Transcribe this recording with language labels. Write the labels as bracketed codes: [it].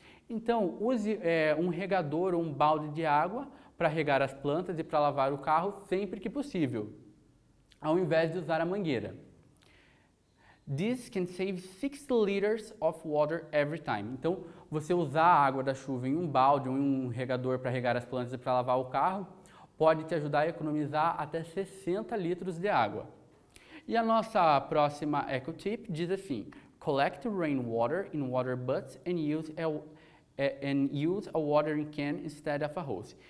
[pt] Então, use um regador ou um balde de água para regar as plantas e para lavar o carro sempre que possível, ao invés de usar a mangueira. [en] This can save 60 liters of water every time. [pt] Então, você usar a água da chuva em um balde ou em um regador para regar as plantas e para lavar o carro pode te ajudar a economizar até 60 litros de água. E a nossa próxima Echo Tip diz assim: [en] collect rainwater in water butts and use a watering can instead of a hose.